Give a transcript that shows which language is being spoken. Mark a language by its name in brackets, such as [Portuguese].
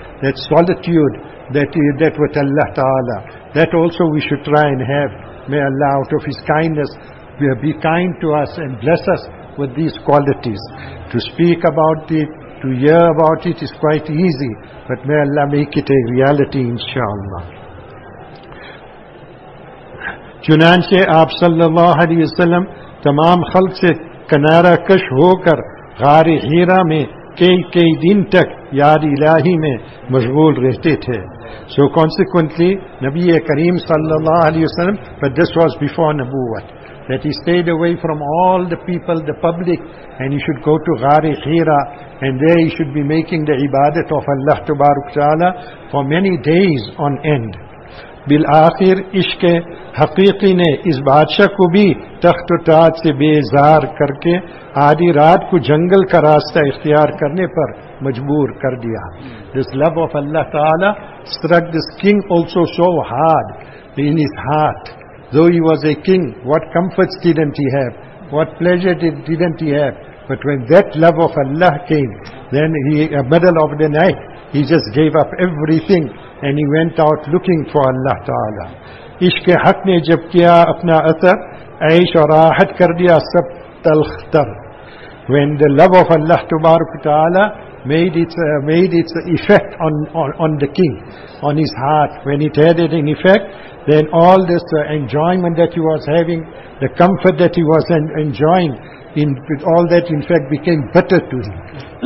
[English] That solitude that is that with Allah Ta'ala, that also we should try and have. May Allah, out of His kindness, be kind to us and bless us with these qualities. To speak about it, to hear about it is quite easy, but may Allah make it a reality, inshaAllah. [Urdu] چنانچہ آپ صلی اللہ علیہ وسلم تمام خلق سے کنارہ کش ہو کر غار حیرہ میں کئی کئی دن تک یاد الہی میں مشغول رہتے تھے. [English] So consequently, نبی کریم صلی اللہ علیہ وسلم, but this was before نبوت, that he stayed away from all the people, the public, and he should go to غار حیرہ, and there he should be making the عبادت of Allah تبارک تعالی for many days on end. [Urdu] بالآخر عشق حقیقی نے اس بادشاہ کو بھی تخت و تاج سے بے زار کر کے آدھی رات کو جنگل کا راستہ اختیار کرنے پر مجبور کر دیا. [English] This love of Allah Ta'ala struck this king also so hard in his heart. Though he was a king, what comforts didn't he have? What pleasure didn't he have? But when that love of Allah came, then he, a middle of the night, he just gave up everything and he went out looking for Allah Ta'ala. [Urdu] عشق حق نے جب کیا اپنا اثر عیش اور راحت کر دیا سب تلخ تر. [English] When the love of Allah تبارک تعالی made its effect on the king, on his heart, when it had it in effect, then all this enjoyment that he was having, the comfort that he was enjoying, in all that in fact became bitter to him.